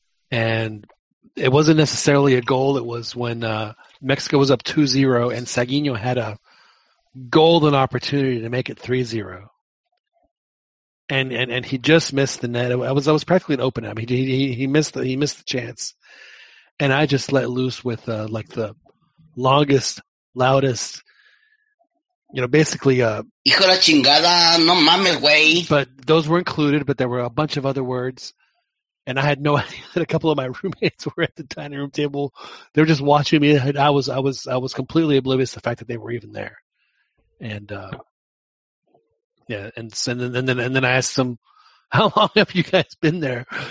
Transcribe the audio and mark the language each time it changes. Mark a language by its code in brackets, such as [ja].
[en] And it wasn't necessarily a goal. It was when Mexico was up 2-0 and Sagino had a golden opportunity to make it 3-0. And he just missed the net. I was practically an open. I mean, he missed the chance. And I just let loose with like the longest, loudest, you know, basically [es] hijo la chingada, no mames, güey. [en] But those were included, but there were a bunch of other words, and I had no idea that a couple of my roommates were at the dining room table. They were just watching me, and I was completely oblivious to the fact that they were even there. And and then I asked them, how long have you guys been there?